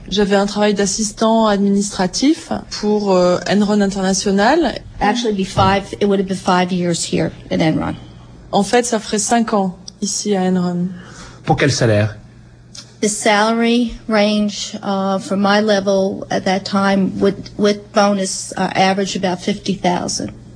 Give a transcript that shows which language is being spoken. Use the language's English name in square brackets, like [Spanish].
[French] J'avais un travail d'assistant administratif pour Enron International. [English] Actually, it would have been five years here at Enron. [French] En fait, ça ferait 5 ans ici à Enron. Pour quel salaire? [English] The salary range for my level at that time with bonus averaged about 50,000.